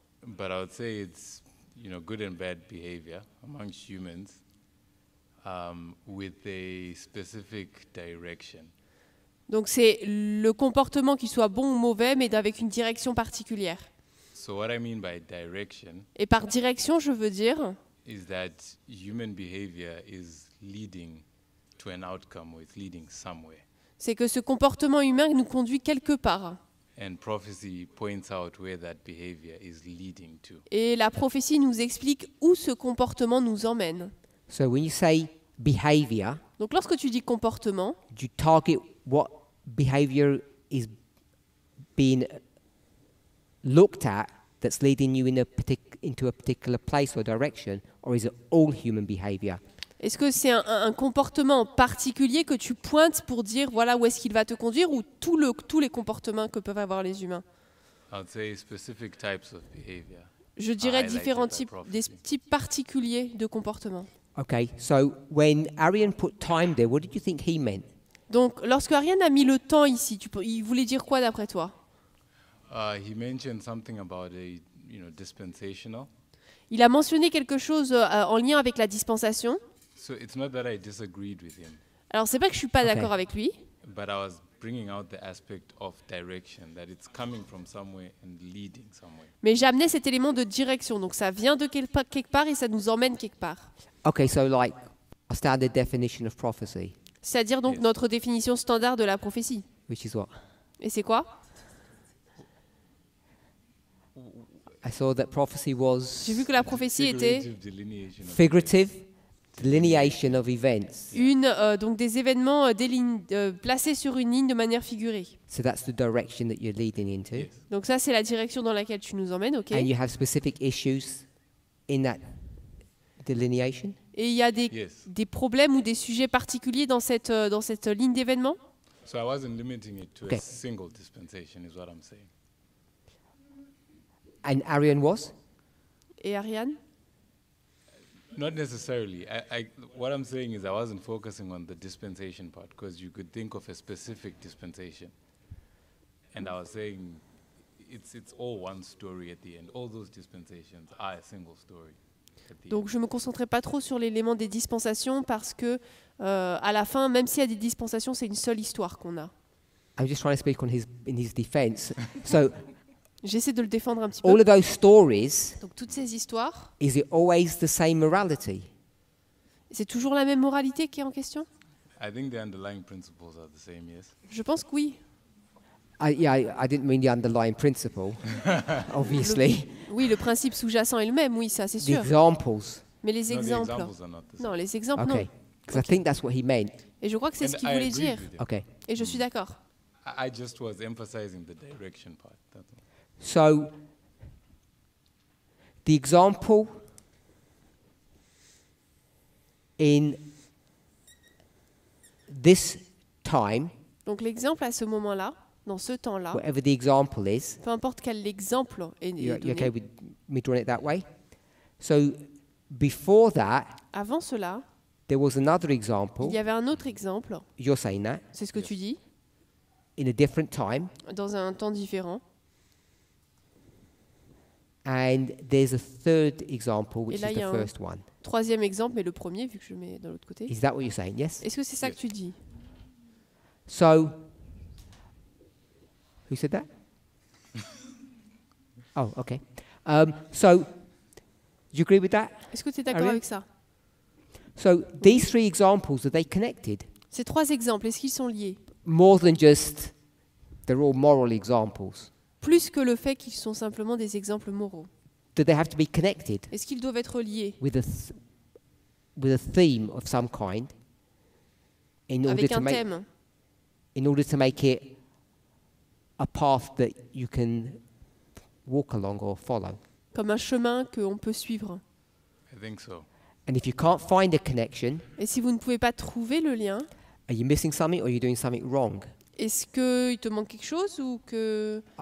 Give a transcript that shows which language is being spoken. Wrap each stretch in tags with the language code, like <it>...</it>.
<en>But I would say it's, you know, good and bad behavior amongst humans with a specific direction.</en> <fr>Donc c'est le comportement qui soit bon ou mauvais mais avec une direction particulière.</fr> <en>So what I mean by direction,</en> <fr>et par direction, je veux dire,</fr> <en>is that human behavior is leading to an outcome or is leading somewhere.</en> <fr>C'est que ce comportement humain nous conduit quelque part.</fr> <en>And prophecy points out where that behavior is leading to.</en> <fr>Et la prophétie nous explique où ce comportement nous emmène.</fr> <en>So when you say behavior,</en> <fr>donc lorsque tu dis comportement,</fr> <en>do you target what behavior is being looked at that's leading you in a into a particular place or direction, or is it all human behavior?</en> <fr>Est-ce que c'est un comportement particulier que tu pointes pour dire voilà où est-ce qu'il va te conduire ou tous les comportements que peuvent avoir les humains?</fr> <en>I'd say specific types of behavior.</en> <fr>Je dirais différents types, des types particuliers de comportements.</fr> <en>Okay, so when Arian put time there, what did you think he meant?</en> <fr>Donc, lorsque Arian a mis le temps ici, il voulait dire quoi d'après toi?</fr> <en>He mentioned something about a, you know, dispensational.</en> <fr>Il a mentionné quelque chose en lien avec la dispensation.</fr> <en>So it's not that I disagreed with him.</en> <fr>Alors c'est pas que je suis pas d'accord avec lui.</fr> <en>But I was bringing out the aspect of direction, that it's coming from somewhere and leading somewhere.</en> <fr>Mais j'amenais cet élément de direction, donc ça vient de quelque part et ça nous emmène quelque part.</fr> <en>Okay, so like a standard definition of prophecy.</en> <fr>C'est-à-dire donc notre définition standard de la prophétie.</fr> <en>Which is what?</en> <fr>Et c'est quoi?</fr> <en>I saw that prophecy was.</en> <fr>J'ai vu que la prophétie était.</fr> <en>Figurative. Delineation of events.</en> <fr>Une donc des événements placés sur une ligne de manière figurée.</fr> <en>So that's the direction that you're leading into. Yes.</en> <fr>Donc ça c'est la direction dans laquelle tu nous emmènes, ok?</fr> <en>And you have specific issues in that delineation.</en> <fr>Et il y a des des problèmes ou des sujets particuliers dans cette ligne d'événements?</fr> <en>So I wasn't limiting it to a single dispensation, is what I'm saying. And Ariane was?</en> <fr>Et Ariane?</fr> <en>Not necessarily. I what I'm saying is I wasn't focusing on the dispensation part because you could think of a specific dispensation. And I was saying it's all one story at the end. All those dispensations are a single story.</en> <fr>Donc je me concentrais pas trop sur l'élément des dispensations parce que à la fin, même s'il y a des dispensations, c'est une seule histoire qu'on a.</fr> <en>I'm just trying to speak on his in his defense. So</en> <fr>j'essaie de le défendre un petit</fr> <en>all</en> <fr>peu.</fr> <en>All of those stories.</en> <fr>Donc toutes ces histoires.</fr> <en>Is it always the same morality?</en> <fr>C'est toujours la même moralité qui est en question?</fr> <en>I think the underlying principles are the same, yes.</en> <fr>Je pense que oui.</fr> <en>I didn't mean the underlying principle, obviously.</en> <fr>Oui, le principe sous-jacent est le même, oui, ça c'est sûr.</fr> <en>The examples.</en> <fr>Mais les exemples.</fr> <en>No, the examples are not the same.</en> <fr>Non, les exemples</fr> <en>okay.</en> <fr>Non.</fr> <en>Because I think that's what he meant.</en> <fr>Et je crois que c'est</fr> <en>and</en> <fr>ce qu'il voulait dire.</fr> <en>Okay.</en> <fr>Et je suis d'accord.</fr> <en>I just was emphasizing the direction part. So, the example in this time.</en> <fr>Donc l'exemple à ce moment-là, dans ce temps-là.</fr> <en>Whatever the example is.</en> <fr>Peu importe quel exemple est donné.</fr> <en>You're okay with me drawing it that way? So, before that.</en> <fr>Avant cela.</fr> <en>There was another example.</en> <fr>Il y avait un autre exemple.</fr> <en>You're saying that.</en> <fr>C'est ce que tu dis.</fr> <en>In a different time.</en> <fr>Dans un temps différent.</fr> <en>And there's a third example, which is the first one.</en> <fr>Troisième exemple, mais le premier, vu que je mets dans l'autre côté.</fr> <en>Is that what you're saying? Yes.</en> <fr>Est-ce que c'est ça que tu dis?</fr> <en>So, who said that? Oh, okay. So, do you agree with that?</en> <fr>Est-ce que tu es d'accord avec ça?</fr> <en>So, these three examples, are they connected?</en> <fr>Ces trois exemples, est-ce qu'ils sont liés?</fr> <en>More than just, they're all moral examples.</en> <fr>Plus que le fait qu'ils sont simplement des exemples moraux.</fr> <en>Do they have to be connected?</en> <fr>Est-ce qu'ils doivent être liés?</fr> <en>With a theme of some kind. In avec order un to thème. Make, in order to make it a path that you can walk along or follow.</en> <fr>Comme un chemin que on peut suivre.</fr> <en>I think so. And if you can't find a connection.</en> <fr>Et si vous ne pouvez pas trouver le lien.</fr> <en>Are you missing something or are you doing something wrong?</en> <fr>Est-ce qu'il te manque quelque chose ou que...</fr>